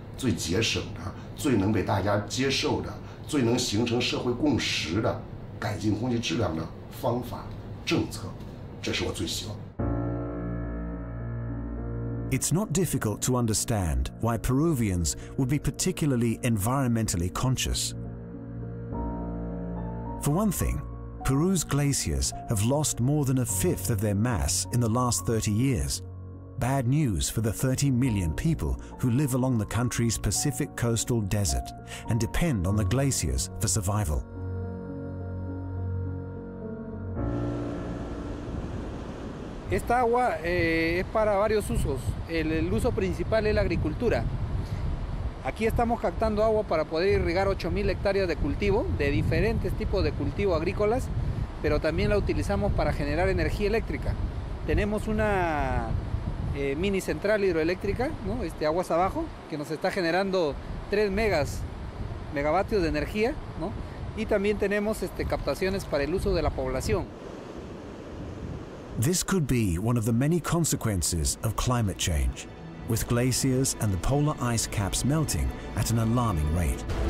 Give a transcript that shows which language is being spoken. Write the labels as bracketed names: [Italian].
[Chinese] 最节省的、最能被大家接受的、最能形成社会共识的改进空气质量的方法、政策，这是我最希望。 [English] It's not difficult to understand why Peruvians would be particularly environmentally conscious. For one thing, Peru's glaciers have lost more than a fifth of their mass in the last 30 years. Bad news for the 30 million people who live along the country's Pacific coastal desert and depend on the glaciers for survival. [Spanish] Esta agua es para varios usos. El uso principal es la agricultura. Aquí estamos captando agua para poder irrigar 8,000 hectáreas de cultivo, de diferentes tipos de cultivo agrícolas, pero también la utilizamos para generar energía eléctrica. Tenemos una mini central hidroeléctrica, ¿no? Aguas abajo, que nos está generando 3 megavatios de energía, ¿no? Y también tenemos captaciones para el uso de la población. [English] This could be one of the many consequences of climate change, with glaciers and the polar ice caps melting at an alarming rate.